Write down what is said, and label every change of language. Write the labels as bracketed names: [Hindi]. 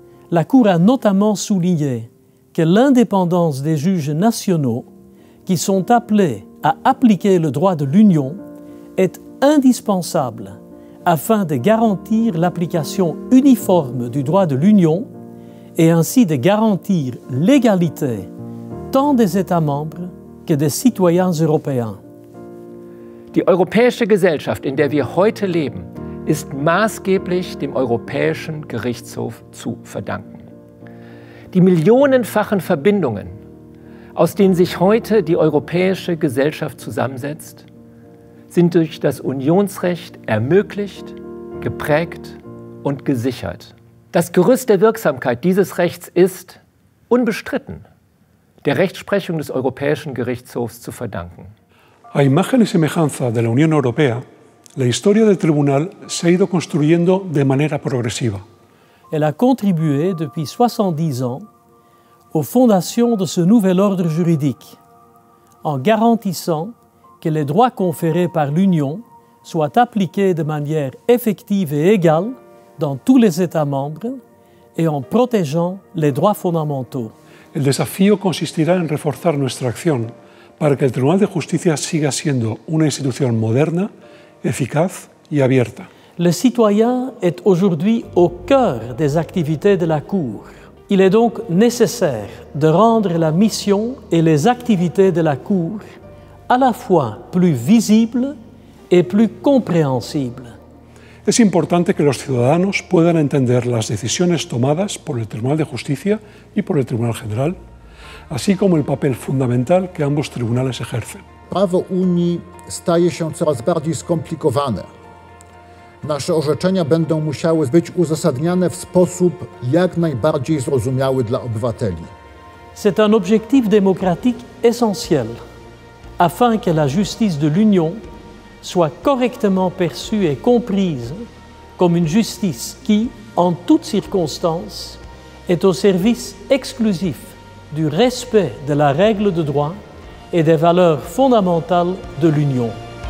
[French] La Cour a notamment souligné que l'indépendance des juges nationaux, qui sont appelés à appliquer le droit de l'Union, est indispensable afin de garantir l'application uniforme du droit de l'Union et ainsi de garantir l'égalité tant des États membres que des citoyens européens. [German] Die europäische Gesellschaft, in der wir heute leben, ist maßgeblich dem Europäischen Gerichtshof zu verdanken. Die millionenfachen Verbindungen, aus denen sich heute die europäische Gesellschaft zusammensetzt, sind durch das Unionsrecht ermöglicht, geprägt und gesichert. Das Gerüst der Wirksamkeit dieses Rechts ist, unbestritten, der Rechtsprechung des Europäischen Gerichtshofs zu verdanken. [Spanish] A imagen y semejanza de la Unión Europea, la historia del Tribunal se ha ido construyendo de manera progresiva. [French] Elle a contribué depuis 70 ans aux fondations de ce nouvel ordre juridique en garantissant que les droits conférés par l'Union soient appliqués de manière effective et égale dans tous les États membres et en protégeant les droits fondamentaux. [Spanish] El desafío consistirá en reforzar nuestra acción para que el Tribunal de Justicia siga siendo una institución moderna, eficaz y abierta. [French] Le citoyen est aujourd'hui au cœur des activités de la Cour. Il est donc nécessaire de rendre la mission et les activités de la Cour à la fois plus visibles et plus compréhensibles. [Spanish] Es importante que los ciudadanos puedan entender las decisiones tomadas por el Tribunal de Justicia y por el Tribunal General, así como el papel fundamental que ambos tribunales ejercen. [Polish] Prawo Unii staje się coraz bardziej skomplikowane. Nasze orzeczenia będą musiały być uzasadniane w sposób jak najbardziej zrozumiały dla obywateli. [French] C'est un objectif démocratique essentiel afin que la justice de l'Union soit correctement perçue et comprise comme une justice qui, en toutes circonstances, est au service exclusif du respect de la règle de droit et des valeurs fondamentales de l'Union.